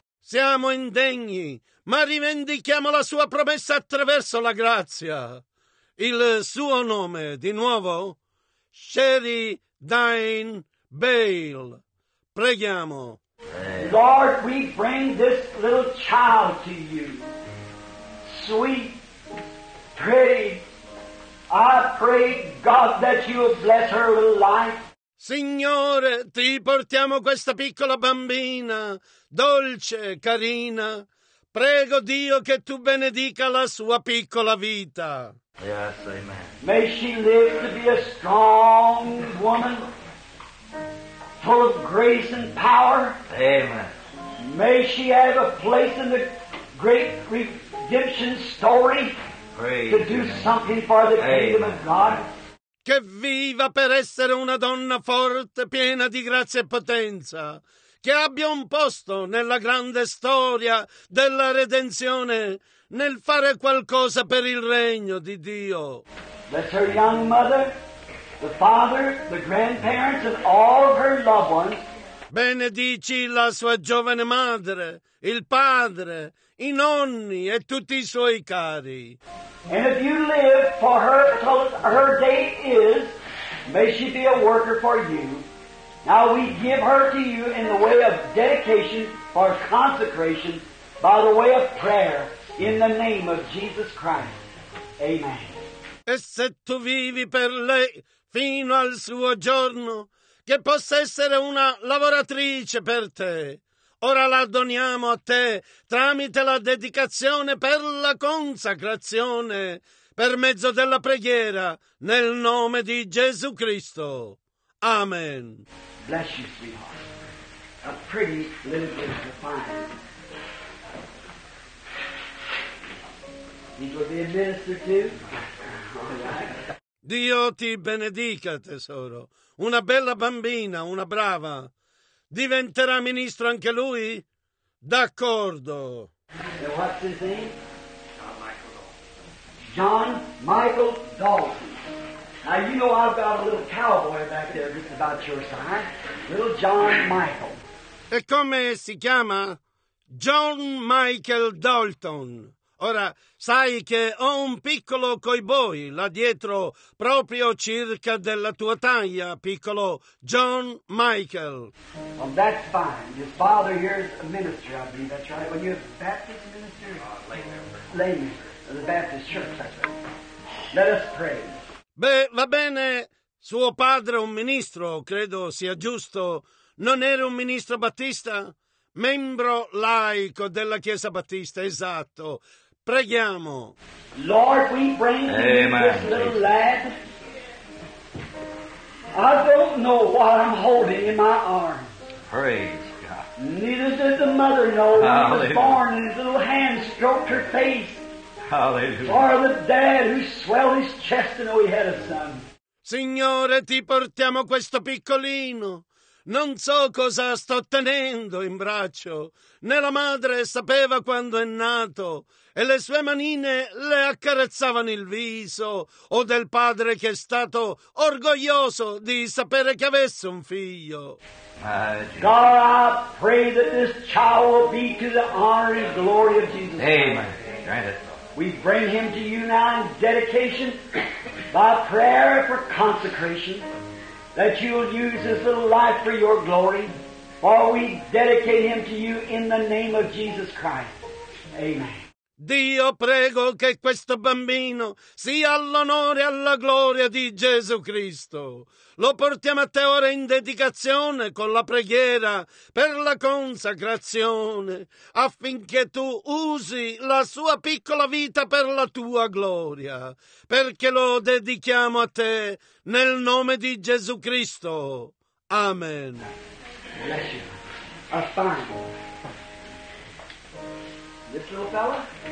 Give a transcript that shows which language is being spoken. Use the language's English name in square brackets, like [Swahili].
[Italian] Siamo indegni, ma rivendichiamo la sua promessa attraverso la grazia. Il suo nome, di nuovo, Shirley Diane Bale. Preghiamo. [English] Lord, we bring this little child to you. Sweet, pretty, I pray, God, that you will bless her little life. [Italian] Signore, ti portiamo questa piccola bambina, dolce, carina. Prego Dio che tu benedica la sua piccola vita. [English] Yes, amen. May she live to be a strong woman, full of grace and power. Amen. May she have a place in the great redemption story. Praise to do amen. Something for the amen. Kingdom of God. [Italian] Che viva per essere una donna forte, piena di grazia e potenza, che abbia un posto nella grande storia della redenzione, nel fare qualcosa per il regno di Dio. [English] Bless her young mother, the father, the grandparents, and all of her loved ones. [Italian] Benedici la sua giovane madre, il padre, i nonni e tutti i suoi cari. [English] And if you live for her till her day is, may she be a worker for you. Now we give her to you in the way of dedication for consecration by the way of prayer in the name of Jesus Christ. Amen. [Italian] E se tu vivi per lei fino al suo giorno, che possa essere una lavoratrice per te. Ora la doniamo a te tramite la dedicazione per la consacrazione, per mezzo della preghiera, nel nome di Gesù Cristo. Amen. [English] Bless you, sweetheart. A pretty little girl to find. It will be a minister too. All right. [Italian] Dio ti benedica, tesoro. Una bella bambina, una brava. Diventerà ministro anche lui? D'accordo. [English] And what's his name? John Michael Dalton. John Michael Dalton. Now you know I've got a little cowboy back there just about your side. Little John Michael. [Italian] E come si chiama? John Michael Dalton. Ora, sai che ho un piccolo cowboy là dietro, proprio circa della tua taglia, piccolo John Michael. [English] Well, that's fine. Your father here is a minister, I believe. That's right. Well, you're a Baptist minister? Lay minister. The Baptist church, that's right. Let us pray. [Italian] Beh, va bene. Suo padre è un ministro, credo sia giusto. Non era un ministro battista? Membro laico della Chiesa Battista, esatto. Preghiamo. [English] Lord, we bring to Amen. You this little lad. I don't know what I'm holding in my arms. Praise God. Neither does the mother know Hallelujah. When he was born and his little hand stroked her face. Hallelujah. Or the dad who swelled his chest to know he had a son. [Italian] Signore, ti portiamo questo piccolino. Non so cosa sto tenendo in braccio, né la madre sapeva quando è nato e le sue manine le accarezzavano il viso o del padre che è stato orgoglioso di sapere che avesse un figlio. [English] God, I pray that this child will be to the honor and glory of Jesus Christ. Amen. We bring him to you now in dedication by prayer for consecration. That you will use his little life for your glory, for we dedicate him to you in the name of Jesus Christ. Amen. [Italian] Dio, prego che questo bambino sia all'onore e alla gloria di Gesù Cristo. Lo portiamo a te ora in dedicazione con la preghiera per la consacrazione, affinché tu usi la sua piccola vita per la tua gloria, perché lo dedichiamo a te nel nome di Gesù Cristo. Amen. [English] Bless you. A fine. This little fella?